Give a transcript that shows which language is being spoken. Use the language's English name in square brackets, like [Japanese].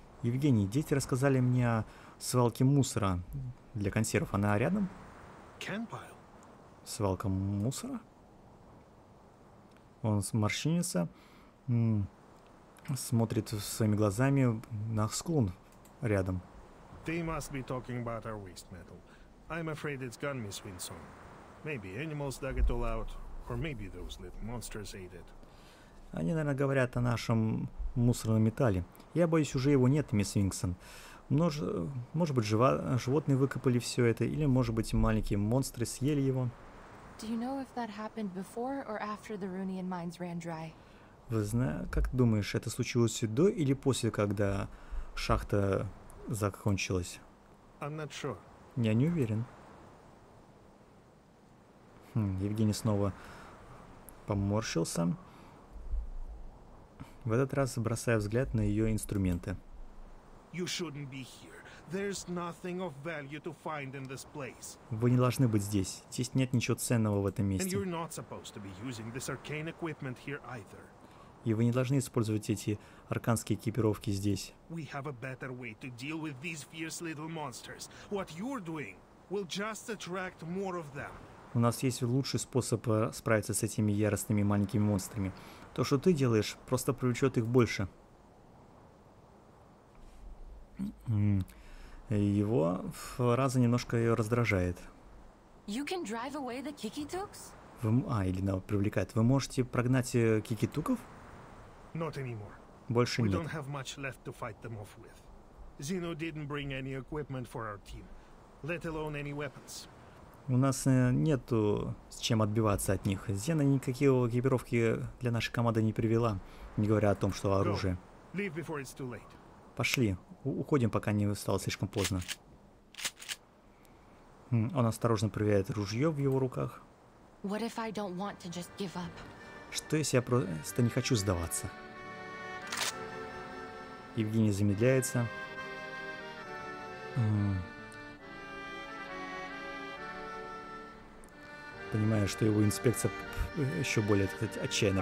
[Russian] Евгений, дети рассказали мне о свалке мусора для консервов. Она рядом? [English] Can pile. [Russian] Свалка мусора? Он морщинится. Смотрит своими глазами на склон рядом. [English] They must be talking about our waste metal. I'm afraid it's gone, Miss Winson. Maybe animals dug it all out, or maybe those little monsters ate it. [Russian] Они, наверное, говорят о нашем мусорном металле. Я боюсь, уже его нет, мисс Винксон. Может быть, животные выкопали все это, или, может быть, маленькие монстры съели его. [English] Do you know if that happened before or after the Runian mines ran dry? [Russian] Как думаешь, это случилось до или после, когда шахта закончилась? [English] I'm not sure. [Russian] Я не уверен. Евгений снова поморщился. В этот раз бросая взгляд на ее инструменты. [English] You shouldn't be here. There's nothing of value to find in this place. [Russian] Вы не должны быть здесь. Здесь нет ничего ценного в этом месте. [English] And you're not supposed to be using this arcane equipment here either. [Russian] И вы не должны использовать эти арканские экипировки здесь. [English] We have a better way to deal with these fierce little monsters. What you're doing will just attract more of them. [Russian] У нас есть лучший способ справиться с этими яростными маленькими монстрами. То, что ты делаешь, просто привлечет их больше. Его фраза немножко ее раздражает. [English] You can drive away the Kikitooks? [Russian] Елена привлекает. Вы можете прогнать кикитуков? [English] Not anymore. [Russian] Больше [English] we [Russian] нет. [English] We don't have much left to fight them off with. Zeno didn't bring any equipment for our team, let alone any weapons. [Russian] У нас нету с чем отбиваться от них. Зена никакие экипировки для нашей команды не привела, не говоря о том, что оружие. [English] Go. Leave before it's too late. [Russian] Пошли. Уходим, пока не стало слишком поздно. Он осторожно проверяет ружье в его руках. [English] What if I don't want to just give up? [Russian] Что если я просто не хочу сдаваться? Евгений замедляется. Понимая, что его инспекция еще более, так сказать, отчаянно